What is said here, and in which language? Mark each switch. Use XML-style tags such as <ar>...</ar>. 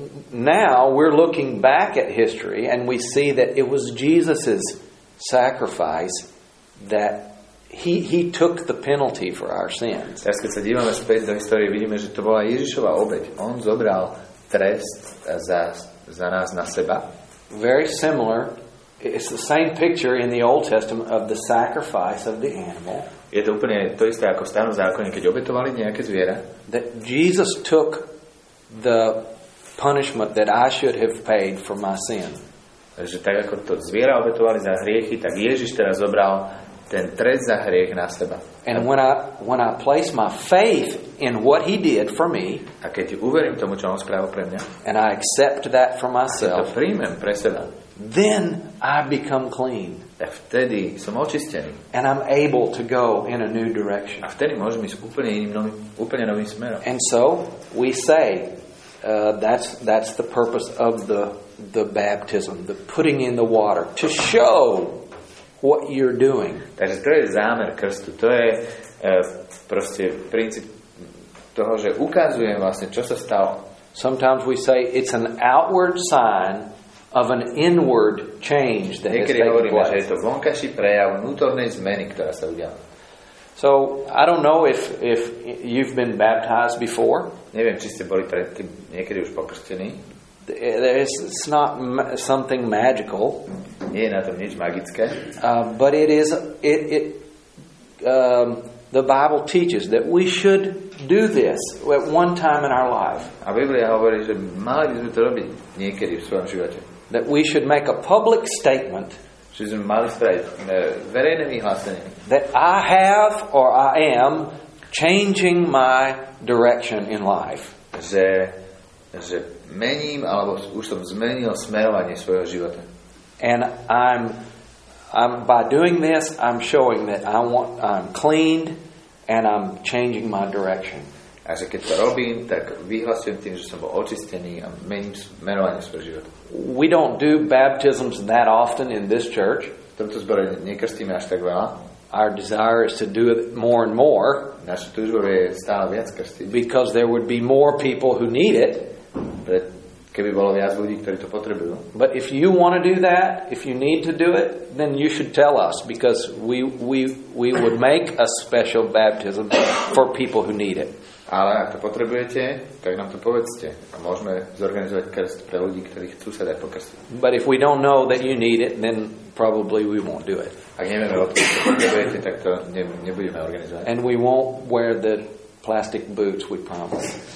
<en>Now we're looking back at history and we see that it was Jesus' sacrifice that he took the penalty for our sins.</en> <sk>Teraz keď sa dívame späť do histórie, vidíme, že to bola Ježišova obeť. On zobral trest za nás na seba.</sk> <en>Very similar. It's the same picture in the Old Testament of the sacrifice of the animal.</en> <sk>Je to úplne to isté ako v starom zákone, keď obetovali nejaké zviera.</sk> <en>That Jesus took the punishment that I should have paid for my sin.</en> <sk>Takže tak ako to zviera obetovali za hriechy, tak Ježiš teraz zobral ten trest za hriech na seba.</sk> <en>And when I place my faith in what he did for me,</en> <sk>a keď uverím tomu, čo on spravil pre mňa,</sk> <en>and I accept that for myself,</en> <sk>a keď to príjmem pre seba,</sk> <en>then I become clean.</en> <sk>Tak vtedy som očistený.</sk> <en>And I'm able to go in a new direction.</en> <sk>A vtedy môžem ísť úplne iným, úplne novým smerom.</sk> <en>And so we say that's the purpose of the baptism, the putting in the water, to show what you're doing.</en> <sk>Takže to je zámer krstu. To je proste princíp toho, že ukazujem vlastne, čo sa stalo.</sk> <en>Sometimes we say it's an outward sign of an inward change that</en> <sk>niekedy</sk> <en>has taken place.</en> <sk>Že je to vonkajší prejav vnútornej zmeny, ktorá sa udiala.</sk> <en>So, I don't know if you've been baptized before.</en> <sk>Neviem, či ste boli predtým niekedy už pokrstení.</sk> <en>It's not something magical.</en> <sk>Nie je na tom nič magické.</sk> <en>But it is, the Bible teaches that we should do this at one time in our life.</en> <sk>A Biblia hovorí, že mali by sme to robiť niekedy v svojom živote.</sk> <en>That we should make a public statement.</en> <sk>Že sme mali spraviť verejné vyhlásenie.</sk> <en>That I have or I am changing my direction in life.</en> <sk>Že mením alebo už som zmenil smerovanie svojho života.</sk> <en>And I'm by doing this, I'm showing that I'm cleaned and I'm changing my direction.</en> <sk>A že keď to robím, tak vyhlasujem tým, že som bol očistený a mením smerovanie svojho života.</sk> <en>We don't do baptisms that often in this church.</en> <sk>V tomto zbore nekrstíme až tak veľa.</sk> <en>Our desire is to do it more and more.</en> <sk>Naša túžba je stále viac krstiť.</sk> <en>Because there would be more people who need it.</en> <sk>Keby bolo viac ľudí, ktorí to potrebujú.</sk> <en>But if you want to do that, if you need to do it, then you should tell us because we would make a special baptism for people who need it.</en> <sk>Ale ak to potrebujete, tak nám to povedzte a môžeme zorganizovať krst pre ľudí, ktorí chcú sa dať pokrstiť.</sk> <en>But if we don't know that you need it, then probably we won't do it.</en> <sk>Ak nevieme, odkiaľ to potrebujete, tak to nebudeme organizovať.</sk> <en>And we won't wear the plastic boots we promised.</en>